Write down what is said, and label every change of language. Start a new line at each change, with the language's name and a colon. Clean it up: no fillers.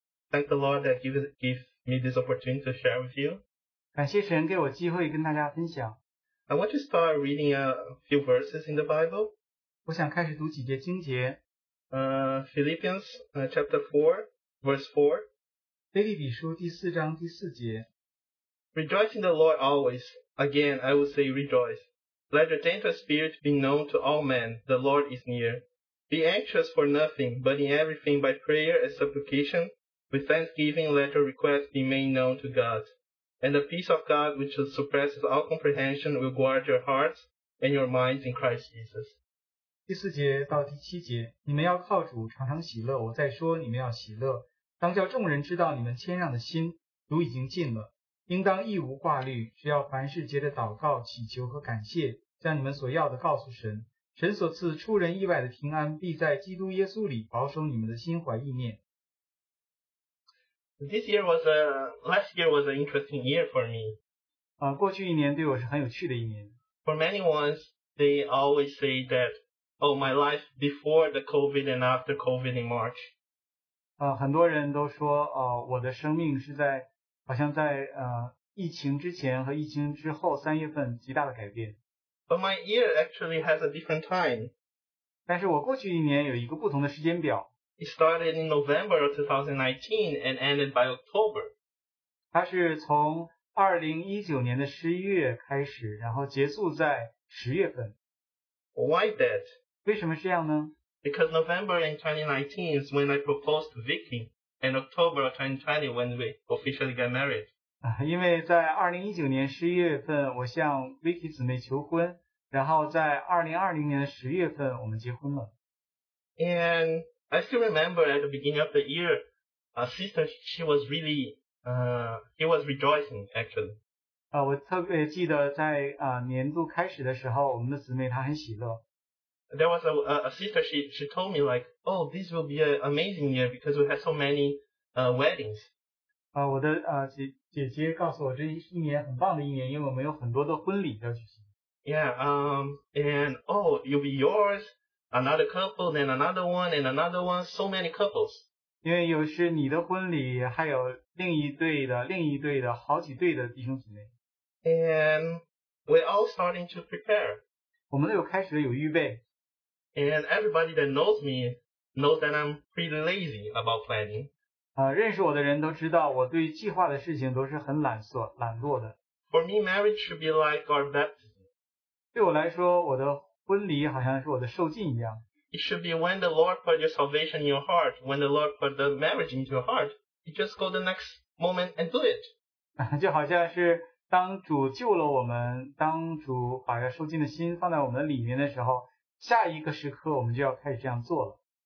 English: Thank the Lord that you give me this opportunity to share with you.
Chinese: 感谢神给我机会跟大家分享。
English: I want to start reading a few verses in the Bible.
Chinese: 我想开始读几节经节。
English: Philippians chapter 4, verse 4.
Chinese: 腓立比书第四章第四节。
English: Rejoice in the Lord always. Again, I will say rejoice. Let your gentle spirit be known to all men, the Lord is near. Be anxious for nothing, but in everything by prayer and supplication, with thanksgiving let your requests be made known to God. And the peace of God which surpasses all comprehension will guard your hearts and your minds in Christ Jesus.
Chinese: 第四节到第七节，你们要靠主常常喜乐，我再说你们要喜乐，当叫众人知道你们谦让的心，主已经近了。应当一无挂虑，只要凡事借着祷告、祈求和感谢，将你们所要的告诉神。神所赐出人意外的平安，必在基督耶稣里保守你们的心怀意念。
English: Last year was an interesting year for me.
Chinese: 过去一年对我是很有趣的一年。
English: For many ones, they always say that, oh, my life before the COVID and after COVID in March.
Chinese: 很多人都说，我的生命是在好像在疫情之前和疫情之后三月份极大的改变。
English: But my year actually has a different time.
Chinese: 但是我过去一年有一个不同的时间表。
English: It started in November of 2019 and ended by October.
Chinese: 它是从2019年的11月开始，然后结束在10月份。
English: Why that?
Chinese: 为什么这样呢？
English: Because November in 2019 is when I proposed to Vicky. In October of 2020, when we officially got married.
Chinese: 因为在2019年11月份我向 Vicky 姊妹求婚，然后在2020年10月份我们结婚了。
English: And I still remember at the beginning of the year, a sister, she was really, he was rejoicing, actually.
Chinese: 我特别记得在年度开始的时候，我们的姊妹她很喜乐。
English: There was a sister, she told me like, oh, this will be an amazing year because we have so many weddings.
Chinese: 我的姐姐告诉我这一年很棒的一年，因为我们有很多的婚礼要举行。
English: And oh, you'll be yours, another couple, then another one, and another one, so many couples.
Chinese: 因为有时你的婚礼还有另一对的好几对的弟兄姊妹。
English: And we're all starting to prepare.
Chinese: 我们都有开始有预备。
English: And everybody that knows me knows that I'm pretty lazy about planning.
Chinese: 认识我的人都知道我对计划的事情都是很懒惰的。
English: For me, marriage should be like our baptism.
Chinese: 对我来说，我的婚礼好像是我的受浸一样。
English: It should be when the Lord put your salvation in your heart, when the Lord put the marriage into your heart, you just go the next moment and do it.
Chinese: 就好像是当主救了我们，当主把这受浸的心放在我们里面的时候。下一个时刻我们就要开始这样做了。